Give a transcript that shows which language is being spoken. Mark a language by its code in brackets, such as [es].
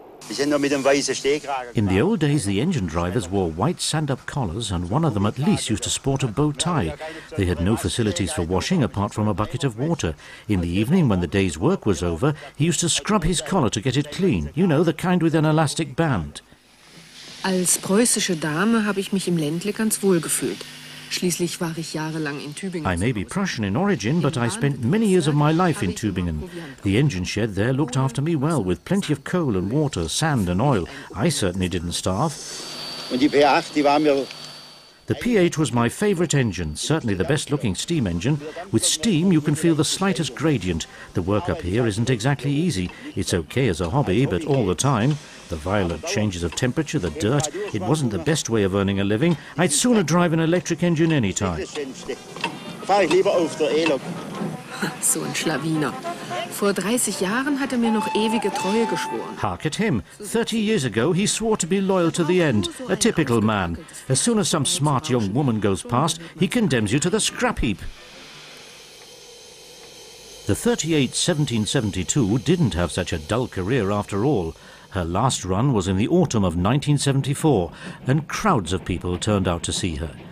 [en] In the old days, the engine drivers wore white stand-up collars and one of them at least used to sport a bow tie. They had no facilities for washing apart from a bucket of water. In the evening, when the day's work was over, he used to scrub his collar to get it clean, you know, the kind with an elastic band. [de] Als preußische Dame habe ich mich im Ländle ganz wohl gefühlt. Schließlich war ich jahrelang in Tübingen. [en] I may be Prussian in origin, but I spent many years of my life in Tübingen. The engine shed there looked after me well, with plenty of coal and water, sand and oil. I certainly didn't starve. [de] Und die P8, die war mir. [en] The P8 was my favorite engine, certainly the best looking steam engine. With steam you can feel the slightest gradient. The work up here isn't exactly easy. It's okay as a hobby, but all the time. The violent changes of temperature, the dirt, it wasn't the best way of earning a living. I'd sooner drive an electric engine any time. [de] So ein Schlawiner. Vor 30 Jahren hat mir noch ewige Treue geschworen. [en] Hark at him. 30 years ago he swore to be loyal to the end. A typical man. As soon as some smart young woman goes past, he condemns you to the scrap heap. The 38 1772 didn't have such a dull career after all. Her last run was in the autumn of 1974, and crowds of people turned out to see her.